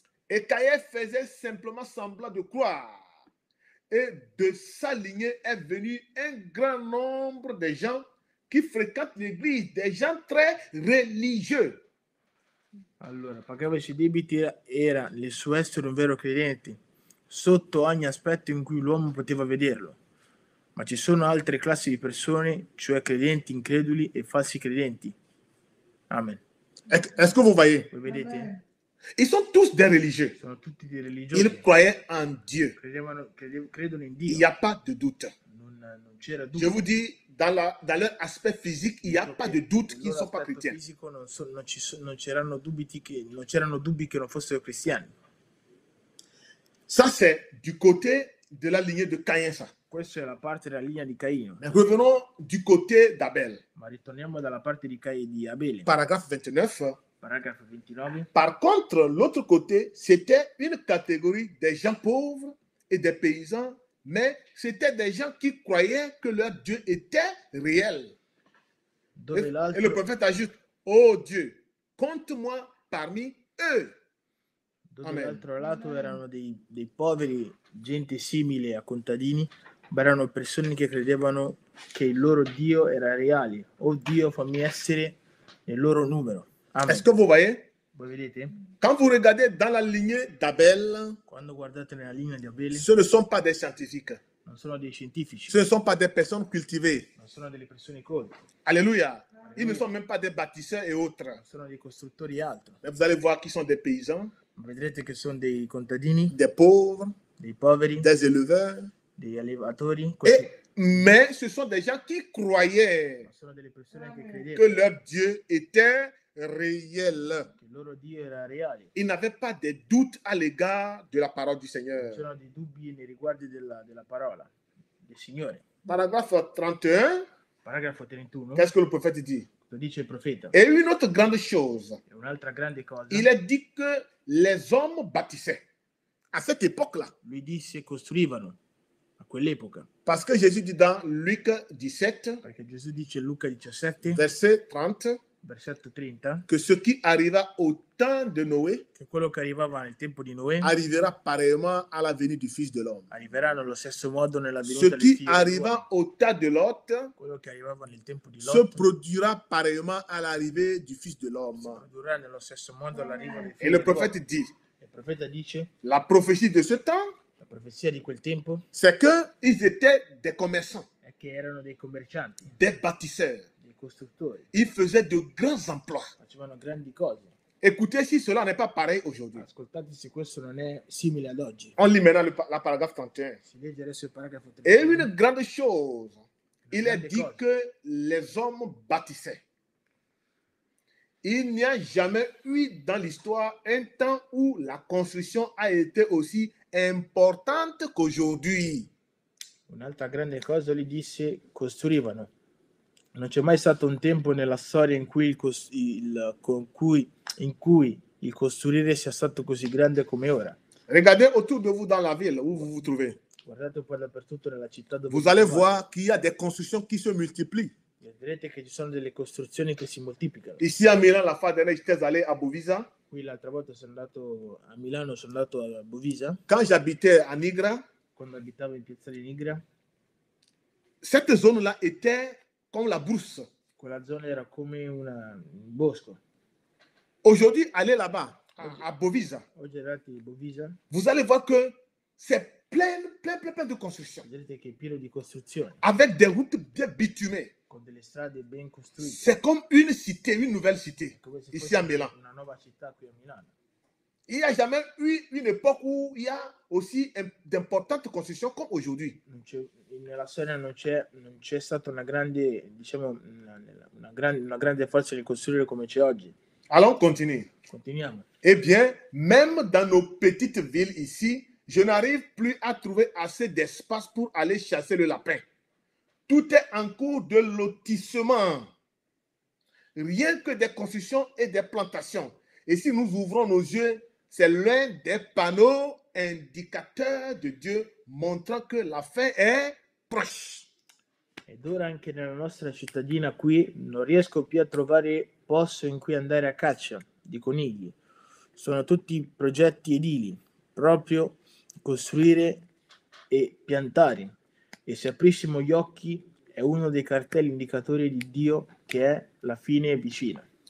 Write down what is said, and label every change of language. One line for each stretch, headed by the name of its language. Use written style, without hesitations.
French: Et Caïn faisait simplement semblant de croire. Et de sa lignée est venu un grand nombre de gens qui fréquentent l'église, des gens très religieux.
Italian: Allora, perché invece Debiti era il suo essere un vero credente, sotto ogni aspetto in cui l'uomo poteva vederlo. Ma ci sono altre classi di persone, cioè credenti increduli e falsi credenti. Amen.
French: Est-ce que vous voyez?
Italian: Voi vedete?
French: Ils sont tous des religieux. Ils sont tous des religieux. Ils croyaient en Dieu.
Italian: Credono in Dio.
French: Il n'y a pas de doute.
Italian: Non c'era dubbio.
French: Je vous dis, dans leur aspect physique, il n'y a pas de doute qu'ils ne sont pas chrétiens.
Italian: Physico, non c'erano dubbi che non fossero cristiani.
French: Ça, c'est du côté de la lignée de Caïn, ça.
Italian: Questa è la parte della linea di Caino.
French: Mais revenons du côté d'Abel.
Italian: Ma ritorniamo dalla parte di Caïn di Abel.
French: Paragraphe 29. Paragraphe 29. Par contre, l'autre côté, c'était une catégorie des gens pauvres et des paysans, mais c'était des gens qui croyaient que leur Dieu était réel. Et le prophète ajoute, « Oh Dieu, compte-moi parmi eux. »
Italian: Dall'altro lato erano dei poveri, gente simile a contadini, ma erano persone che credevano che il loro Dio era reale. Oh Dio, fammi essere nel loro numero. Amen.
French: Est-ce que vous voyez?
Italian: Voi vedete?
French: Quand vous regardez dans la lignée d'Abel,
Italian: quando guardate nella linea di Abel,
French: ce ne sont pas des scientifiques.
Italian: Non sono dei scientifici.
French: Ce ne sont pas des personnes cultivées.
Italian: Non sono delle persone colte.
French: Alléluia. Ils ne sont même pas des bâtisseurs et autres.
Italian: Non sono dei costruttori e altro.
French: Mais vous allez voir qui sont des paysans.
Italian: Vedrete che sono dei contadini,
French: des pauvres,
Italian: dei poveri,
French: des éleveurs,
Italian: dei allevatori.
French: Mais ce sont des gens qui croyaient que leur Dieu était réel.
Italian: Che loro Dio era reale.
French: Ils n'avaient pas de doutes à l'égard de la parole du Seigneur.
Italian: Non c'erano dei dubbi nei riguardi della parola del Signore.
French: Paragraphe 31. Paragraphe 31. Qu'est-ce que le prophète dit?
Italian: Lo dice il profeta.
French: Et une autre grande chose.
Italian: E un'altra grande cosa.
French: Il est dit que les hommes bâtissaient à cette époque-là.
Italian: Lui dit se costruivano a quell'epoca.
French: Parce que Jésus dit dans Luc 17.
Italian: Perché Gesù dice Luca 17.
French: Verset 30.
Italian: Versetto 30.
French: Que ce qui arriva au temps de Noé.
Italian: Che quello che arrivava nel tempo di Noé. Arriverà
French: pareillement à la venue du Fils de l'homme.
Italian: Arriverà nello stesso modo nella venuta del Figlio.
French: Ce qui arriva au temps de Lot.
Italian: Quello che arrivava nel tempo di Lot.
French: Se produrra pareillement à l'arrivée du Fils de l'homme.
Italian: Si produrrà nello stesso modo all'arrivo del Figlio. E il profeta dice. Il profeta dice. La profezia di
French: ce temps.
Italian: La profezia di quel tempo.
French: C'est que ils étaient des commerçants.
Italian: È che erano dei commercianti.
French: Des bâtisseurs.
Italian: Costruttori.
French: Ils faisaient de grands emplois.
Italian: Facevano grandi cose.
French: Écoutez si cela n'est pas pareil aujourd'hui.
Italian: Ascoltate se questo non è simile ad oggi.
French: On lit maintenant la paragraphe 31.
Italian: Si legge adesso il paragrafo
French: 31. Et une grande chose. Il est dit que les hommes bâtissaient. Il n'y a jamais eu dans l'histoire un temps où la construction a été aussi importante qu'aujourd'hui.
Italian: Un'altra grande cosa gli disse costruivano. Non c'è mai stato un tempo nella storia in cui il costruire sia stato così grande come ora.
French: Regardez autour de vous dans la ville où vous vous trouvez.
Italian: Guardate un po' dappertutto nella città dove
French: vous allez voir qu'il y a des constructions qui se multiplient.
Italian: Vedrete che ci sono delle costruzioni che si moltiplicano.
French: Ici à Milan, la fois dernière, j'étais allé à Bovisa.
Italian: Qui l'altra volta sono andato a Milano, sono andato a Bovisa.
French: Quand j'habitais à Nigra.
Italian: Quando abitavo in Piazza di Nigra.
French: Cette zone-là était comme la brousse.
Italian: Quella zona era come un bosco.
French: Aujourd'hui, allez là-bas, à Bovisa.
Italian: Oggi andate a Bovisa.
French: Vous allez voir que c'est plein de construction.
Italian: Vedrete che è pieno di costruzioni.
French: Avec des routes bien bitumées.
Italian: Con delle strade ben costruite.
French: C'est comme une cité, une nouvelle cité, ici à Milan.
Italian: Una nuova città qui a Milano.
French: Il n'y a jamais eu une époque où il y a aussi d'importantes constructions comme aujourd'hui.
Italian: Nella storia non c'è stata una grande, diciamo, una grande forza di costruire come c'è oggi.
French: Allons continue.
Italian: Continuiamo.
French: Eh bien, même dans nos petites villes ici, je n'arrive plus à trouver assez d'espace pour aller chasser le lapin. Tout est en cours de lotissement. rien que des constructions et des plantations. Et si nous ouvrons nos yeux, c'est l'un des panneaux indicateurs de Dieu montrant que la fin est proche.
Italian: Ed ora anche nella nostra cittadina qui non riesco più a trovare posto in cui andare a caccia di conigli. Sono tutti progetti edili, proprio costruire e piantare. E se aprissimo gli occhi è uno dei cartelli indicatori di Dio che è la fine vicina.